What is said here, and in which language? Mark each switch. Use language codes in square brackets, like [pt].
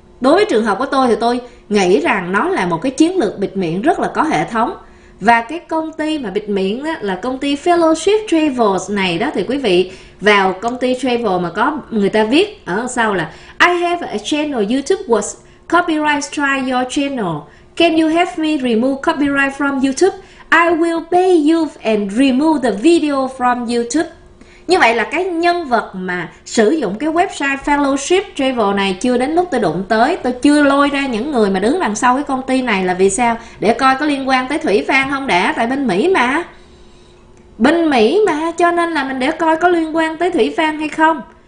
[vi] Đối với trường hợp của tôi thì tôi nghĩ rằng nó là một cái chiến lược bịt miệng rất là có hệ thống. Và cái công ty mà bịt miệng đó là công ty Fellowship Travels này đó, thì quý vị vào công ty travel mà có người ta viết ở sau là [en] I have a channel YouTube was copyright strike your channel. Can you help me remove copyright from YouTube? I will pay you and remove the video from YouTube. [vi] Như vậy là cái nhân vật mà sử dụng cái website Fellowship Travel này chưa đến lúc tôi đụng tới, tôi chưa lôi ra những người mà đứng đằng sau cái công ty này là vì sao? Để coi có liên quan tới Thủy Phan không đã, tại bên Mỹ mà. Bên Mỹ mà, cho nên là mình để coi có liên quan tới Thủy Phan hay không.